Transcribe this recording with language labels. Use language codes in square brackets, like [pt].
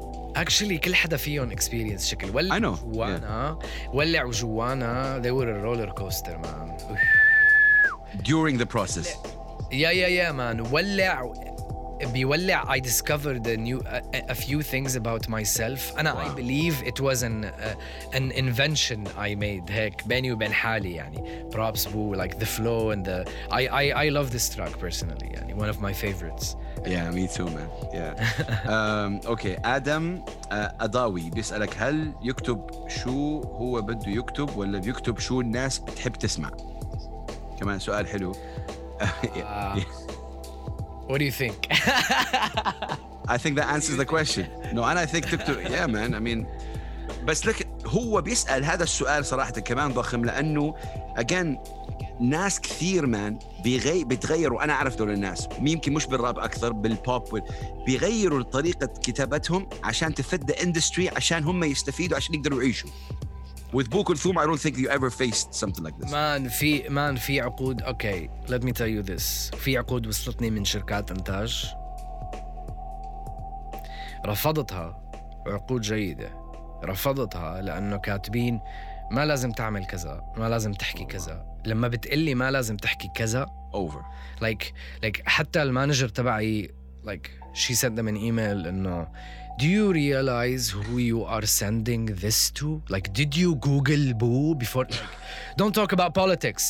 [ar] Actually كل حدا فيهم experience شكل ولع جوانا. [en] ولع وجوانا they were a roller coaster man during the process. Yeah man, ولع بيولع. I discovered a few things about myself. أنا wow. I believe it was an invention I made [ar] هيك بيني وبين حالي يعني. [en] Props boo, like the flow and the I love this track personally يعني, one of my favorites. Yeah, me too man. Yeah. [ar] Okay, Adam Adawi بيسألك هل يكتب شو هو بده يكتب ولا بيكتب شو الناس بتحب تسمع؟ كمان سؤال حلو. [en] What do you think? I think that answers the question. No, and I think, yeah, man. I mean, but look, [ar] هو بيسأل هذا السؤال صراحة كمان ضخم، لأنه again ناس كثير مان بتغيروا، أنا أعرف دول الناس ممكن مش بالراب أكثر بالبوب، بيغيروا طريقة كتابتهم عشان تفد الاندستري، عشان هم يستفيدوا عشان يقدروا يعيشوا. [en] With Boo Kulthum, I don't think you ever faced something like this. [ar] Man, في man في عقود. [en] Okay, let me tell you this. [ar] في عقود وصلتني من شركات إنتاج. رفضتها، عقود جيدة. رفضتها لأنه كاتبين ما لازم تعمل كذا، ما لازم تحكي كذا. لما بتقلي ما لازم تحكي كذا. [en] Over. Like [ar] حتى المانجر تبعي [en] like she sent them an email إنه Do you realize who you are sending this to? Like, did you Google Boo before? Like, don't talk about politics.